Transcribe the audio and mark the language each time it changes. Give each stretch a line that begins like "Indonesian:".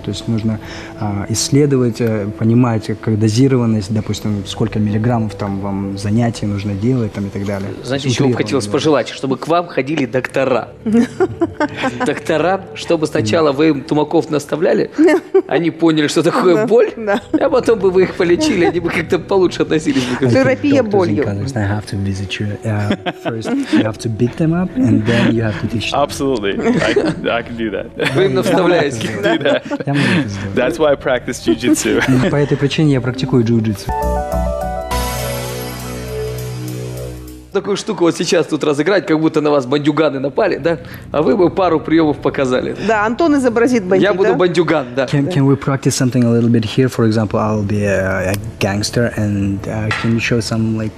Russian: То есть нужно исследовать, понимать, как дозированность, допустим, сколько миллиграммов там вам занятий нужно делать там, и так далее. Знаете, чего бы хотелось пожелать? Чтобы к вам ходили доктора. Доктора, чтобы сначала вы им тумаков наставляли, они поняли, что такое боль, а потом бы вы их полечили, они бы как-то получше относились. Терапия болью.
English: I have to visit you. First, you have to beat them up, and then you have to teach them. Absolutely. I can do that.
Russian: Вы им наставляете.
English: That's why I practice jiu-jitsu.
Russian: По этой причине я практикую джиу-джитсу. Такую штуку вот сейчас тут разыграть, как будто на вас бандюганы напали, да? А вы бы пару приемов показали. Да, Антон изобразит бандюга. Я буду бандюган, да.
English: Can we practice something a little bit here? For example, I'll be a gangster, and can you show some like